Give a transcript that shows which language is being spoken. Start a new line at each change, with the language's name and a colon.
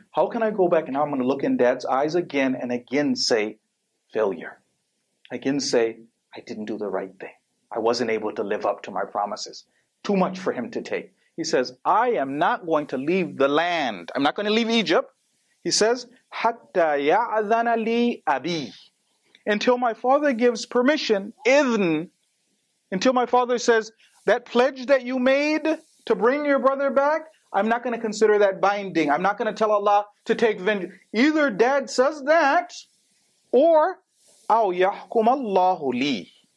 English: How can I go back and now I'm going to look in Dad's eyes again and again say, failure. Again say, I didn't do the right thing. I wasn't able to live up to my promises. Too much for him to take. He says, I am not going to leave the land. I'm not going to leave Egypt. He says,
Arabic: حَتَّى يَعْذَنَ لِي أَبِي.
English: Until my father gives permission, إِذْن. Until my father says, that pledge that you made to bring your brother back, I'm not going to consider that binding. I'm not going to tell Allah to take vengeance. Either Dad says that, or
Arabic: أَوْ يَحْكُمَ اللَّهُ لِي.